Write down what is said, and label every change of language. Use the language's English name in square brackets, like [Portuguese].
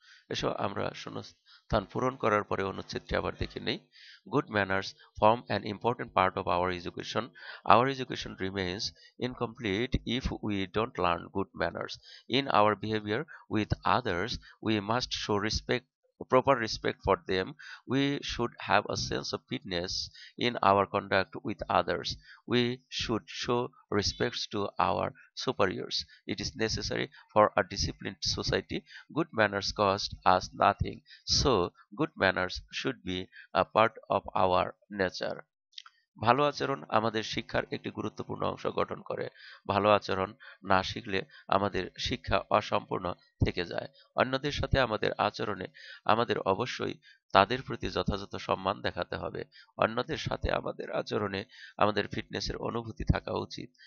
[Bangla] এসো আমরা শূন্যস্থান পূরণ করার পরে অনুচ্ছেদটি আবার দেখে নেই। [English] Good manners form an important part of our education, our education remains incomplete if we don't learn good manners, in our behaviour with others we must show respect proper respect for them, we should have a sense of fitness in our conduct with others. We should show respect to our superiors. It is necessary for a disciplined society. Good manners cost us nothing. So, good manners should be a part of our nature. [Bangla] ভালো আচরণ আমাদের শিক্ষার একটি গুরুত্বপূর্ণ অংশ গঠন করে। ভালো আচরণ না শিখলে আমাদের শিক্ষা অসম্পূর্ণ থেকে যায়। অন্যদের সাথে আমাদের আচরণে আমাদের অবশ্যই তাদের প্রতি যথাযথ সম্মান দেখাতে হবে। অন্যদের সাথে আমাদের আচরণে আমাদের ফিটনেসের অনুভূতি থাকা উচিত।